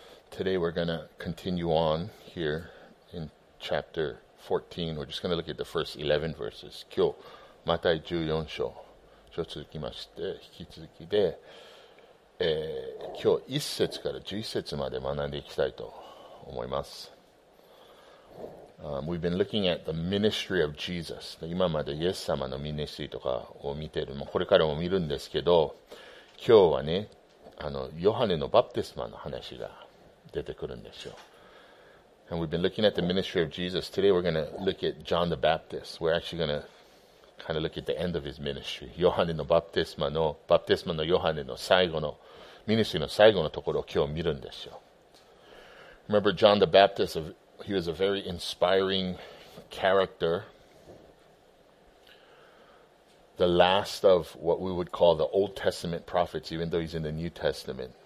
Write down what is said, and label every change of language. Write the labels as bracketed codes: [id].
[en] Today we're going to continue on here in chapter 14. We're just going to look at the first 11 verses. [ja] 今日、また14章、ちょっと続きまして、引き続きで、今日1節から11節まで学んでいきたいと思います。 [en] We've been looking at the ministry of Jesus. [ja] 今までイエス様のミニストリーとかを見ている、これからも見るんですけど、今日はね、ヨハネのバプテスマの話が出てくるんですよ。 [en] And we've been looking at the ministry of Jesus. Today we're going to look at John the Baptist. We're actually going to kind of look at the end of his ministry. [ja] ヨハネのバプテスマのヨハネの最後の、ミニストリーの最後のところを今日見るんですよ。 [en] Remember John the Baptist, he was a very inspiring character. The last of what we would call the Old Testament prophets, even though he's in the New Testament.